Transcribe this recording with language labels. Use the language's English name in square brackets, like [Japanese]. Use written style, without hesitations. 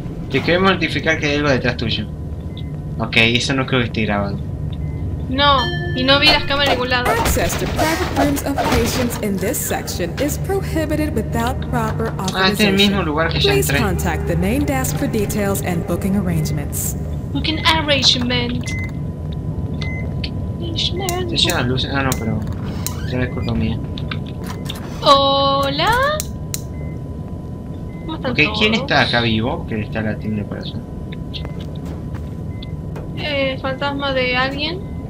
[Spanish] Te queremos notificar que hay algo detrás tuyo. Ok, eso no creo que esté grabado. No, y no vi las cámaras en ningún lado. [English] Access to private rooms of patients in this section is prohibited without proper authorization. [Spanish] Ah, este es el mismo lugar que ya entré. [English] Please contact the main desk for details and booking arrangements. Booking arrangement. [Spanish] ¿Te llevan las luces? Ah, no, pero ya es culpa mía. Hola. Ok, todos. ¿Quién está acá vivo? Que está la tienda de corazón. ¿Fantasma de alguien?